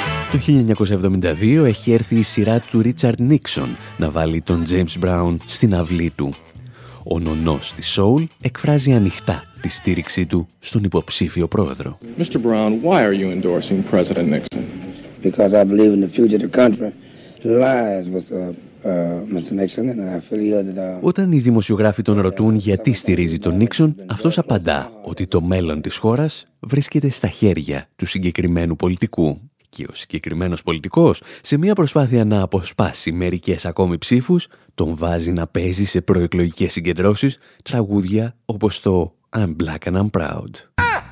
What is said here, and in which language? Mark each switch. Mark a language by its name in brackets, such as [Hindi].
[Greek] Το 1972 έχει έρθει η σειρά του Ρίτσαρντ Νίξον να βάλει τον James Brown στην αυλή του. Ο νονός της Soul εκφράζει ανοιχτά τη στήριξή του στον υποψήφιο πρόεδρο. [English] Mr. Brown, why are you endorsing President Nixon? Because I believe in the future of the country. [Greek] Όταν οι δημοσιογράφοι τον ρωτούν γιατί στηρίζει τον Νίξον, αυτός απαντά ότι το μέλλον της χώρας βρίσκεται στα χέρια του συγκεκριμένου πολιτικού. Και ο συγκεκριμένος πολιτικός, σε μια προσπάθεια να αποσπάσει μερικές ακόμη ψήφους, τον βάζει να παίζει σε προεκλογικές συγκεντρώσεις τραγούδια όπως το «I'm Black and I'm Proud».